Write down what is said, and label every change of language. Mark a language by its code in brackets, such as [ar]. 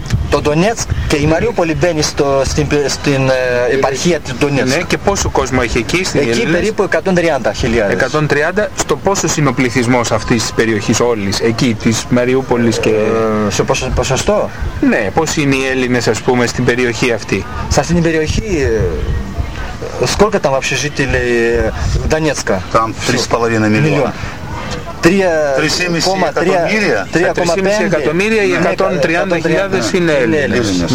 [el] Το Ντονέτσκ και η Μαριούπολη μπαίνει στην επαρχία του Ντονέτσκ. Ναι, και πόσο κόσμο έχει εκεί στην Ελλάδα? Εκεί Ελλήνες. Περίπου 130.000. 130. Στο πόσο είναι ο πληθυσμός αυτής της περιοχής όλης, εκεί της Μαριούπολης και... Σε ποσοστό? Ναι, πώς είναι οι Έλληνες, ας πούμε, στην περιοχή αυτή? Σε αυτήν την περιοχή... [ru] Сколько там вообще жителей Донецка? Там 3,5 миллиона. [el] 3,5 εκατομμύρια ή 130.000 είναι Έλληνες.